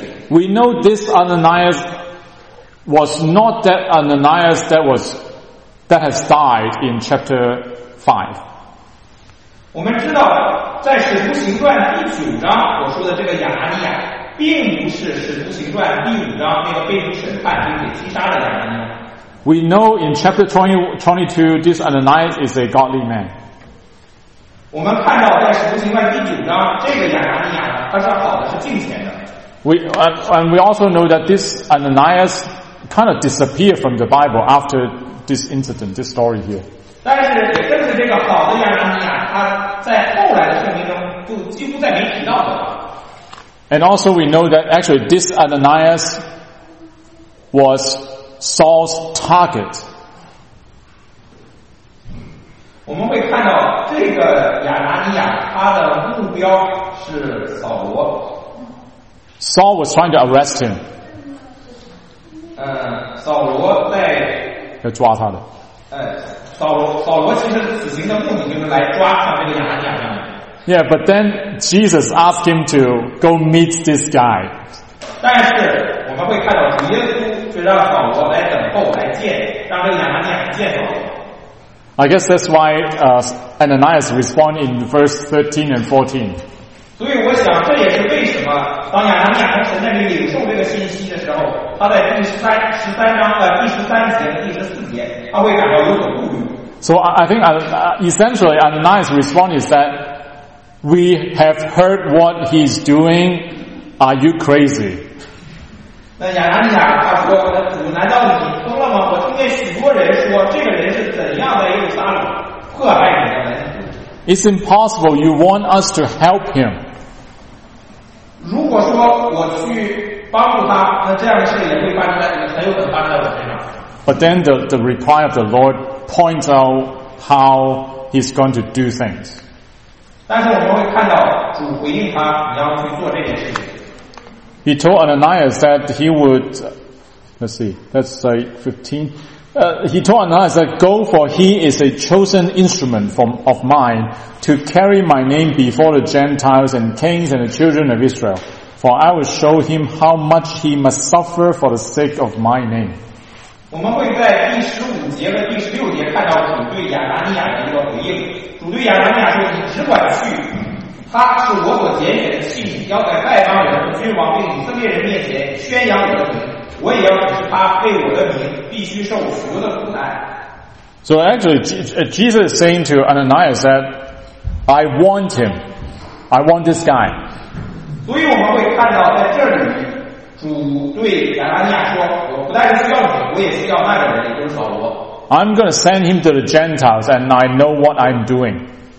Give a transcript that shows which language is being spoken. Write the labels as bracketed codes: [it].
[en] We know this Ananias was not that Ananias that has died in chapter 5. [zh] 我们知道在使徒行传第九章我说的这个亚拿尼亚并不是使徒行传第五章那个被主审判并且击杀的亚拿尼亚。 [en] We know in chapter 22 this Ananias is a godly man. [zh] 我们看到在使徒行传第九章这个亚拿尼亚他是好的是敬虔的。 [en] And we also know that this Ananias kind of disappeared from the Bible after this incident, this story here. [zh] 但是也正是这个好的亚拿尼亚他在后来的生命中就几乎再没提到的。 [en] And also we know that actually this Ananias was Saul's target. [zh] 我们会看到这个亚拿尼亚，他的目标是扫罗。 [en] Saul was trying to arrest him. [zh] 扫罗在要抓他的。扫罗其实此行的目的就是来抓他这个亚拿尼亚。 [en] Yeah, but then Jesus asked him to go meet this guy. [zh] 但是我们会看到耶稣就让扫罗来等候，来见，让这个亚拿尼亚见到。 [en] I guess that's why Ananias responded in verse 13 and 14. [zh] 所以我想这也是为什么当亚拿尼亚从神那里领受这个信息的时候，他在第十三节和第十四节，他会感到有所顾虑。 [en] So I think essentially Ananias' response is that we have heard what he's doing. Are you crazy? [zh] 那亚拿尼亚他说：“主，难道你疯了吗？我听见许多人说，这个人是怎样的一个杀戮，迫害你的人。” [en] It's impossible. You want us to help him. [zh] 如果说我去帮助他，那这样的事也会发生在很有可能发生在我身上。 [en] But then the reply of the Lord points out how he's going to do things. [zh] 但是我们会看到主回应他，你要去做这件事情。 [en] He told Ananias that he would, let's see, that's like 15. He told Ananias that go, for he is a chosen instrument of mine to carry my name before the Gentiles and kings and the children of Israel. For I will show him how much he must suffer for the sake of my name. [zh] 我们会在第十五节和第十六节看到主对亚拿尼亚的一个回应。主对亚拿尼亚说，你只管去。他是我所拣选的器皿，要在外邦人、君王并以色列人面前宣扬我的名。我也要使他为我的名必须受许多的苦难。 [en] So actually, Jesus is saying to Ananias that I want him. I want this guy. [zh] 所以我们会看到在这里，主对亚拿尼亚说：“我不但是需要你，我也需要那个人，也就是扫罗。” [en] I'm going to send him to the Gentiles, and I know what I'm doing.